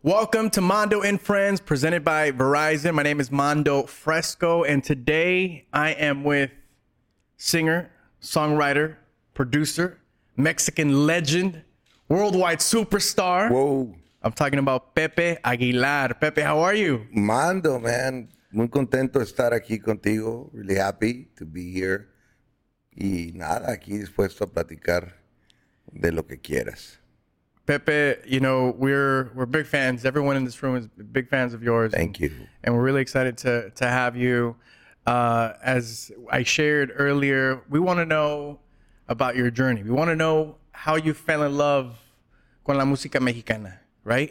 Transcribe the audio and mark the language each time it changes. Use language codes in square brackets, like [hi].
[es] Welcome to Mando and Friends, presented by Verizon. My name is Mando Fresco, and today I am with singer, songwriter, producer, Mexican legend, worldwide superstar. Whoa. I'm talking about Pepe Aguilar. Pepe, how are you? Mando, man. Muy contento de estar aquí contigo. [en] Really happy to be here. [es] Y nada, aquí dispuesto a platicar de lo que quieras. [en] Pepe, you know, we're big fans. Everyone in this room is big fans of yours. Thank you. And we're really excited to have you. As I shared earlier, we want to know about your journey. We want to know how you fell in love [es] con la música mexicana, [en] right?